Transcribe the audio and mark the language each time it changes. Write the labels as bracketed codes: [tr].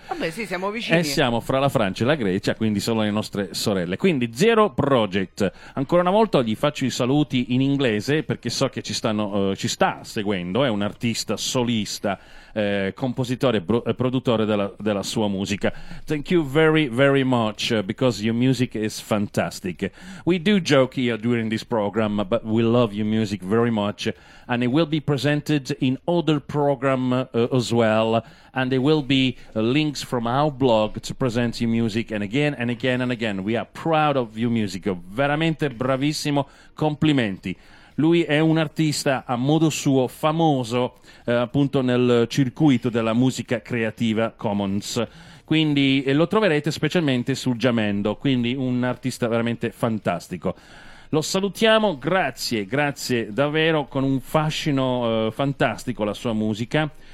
[it] Vabbè, sì, siamo vicini. Siamo fra la Francia e la Grecia, quindi sono le nostre sorelle. Quindi Zero Project. Ancora una volta gli faccio i saluti in inglese perché so che ci sta seguendo. È un artista solista, compositore, produttore della sua musica. [en] Thank you very, very much because your music is fantastic. We do joke here during this program, but we love your music very much. And it will be presented in other program as well. And there will be links from our blog to present your music. And again and again and again, we are proud of your music. [it] Veramente bravissimo. Complimenti. Lui è un artista a modo suo famoso appunto nel circuito della musica creativa Commons. Quindi, e lo troverete specialmente su Giamendo, quindi un artista veramente fantastico. Lo salutiamo, grazie, grazie davvero, con un fascino fantastico la sua musica.